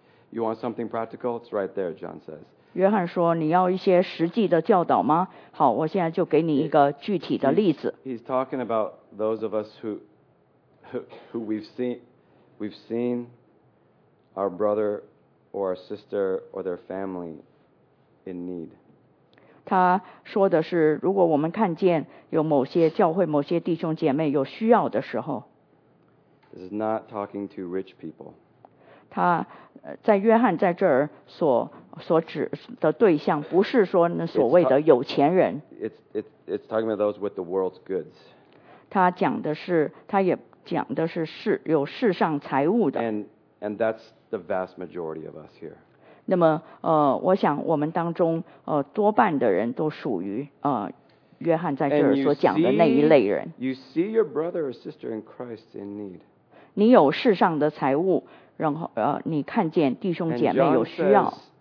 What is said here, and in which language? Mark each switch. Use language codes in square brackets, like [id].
[en] You want something practical? It's right there, John says. [zh] 约翰说，你要一些实际的教导吗？好，我现在就给你一个具体的例子。 [en] He's talking about those of us who we've seen our brother or our sister or their family in need. [zh] 他说的是，如果我们看见有某些教会、某些弟兄姐妹有需要的时候。 [en] This is not talking to rich people. [zh] 他在约翰在这儿所指的对象，不是说那所谓的有钱人。 [en] It's talking about those with the world's goods. [zh] 他讲的是，他也讲的是有世上财物的。 [en] And that's the vast majority of us here. [zh] 那么我想我们当中多半的人都属于约翰在这儿所讲的那一类人。 [en] You see your brother or sister in Christ in need. [zh] 你有世上的财物，然后你看见弟兄姐妹有需要。